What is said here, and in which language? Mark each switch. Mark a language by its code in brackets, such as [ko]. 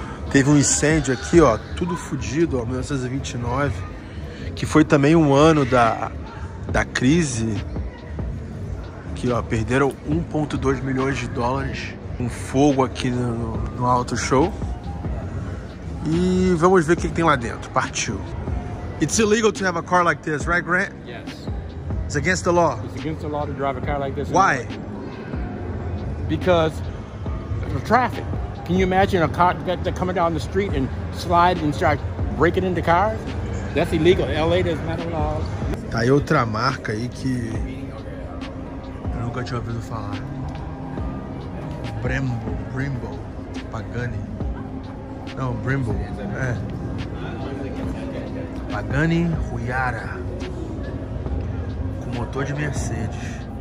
[pt] Teve um incêndio aqui, ó, tudo fodido, ó, 1929, que foi também um ano da crise, que, ó, perderam 1,2 milhões de dólares. Um fogo aqui no Auto Show. E vamos ver o que tem lá dentro. Partiu. [en] It's illegal to have a car like this, right, Grant? Yes. It's against the law. It's against the law to drive a car like this. Why? Because of traffic. Can you imagine a car that coming down the street and slide and start breaking into cars? That's illegal. LA does not allow. [pt] Tá aí outra marca aí que eu nunca tinha ouvido falar. Brembo, Pagani. Não, Brembo, é. Pagani Huayra, com motor de Mercedes.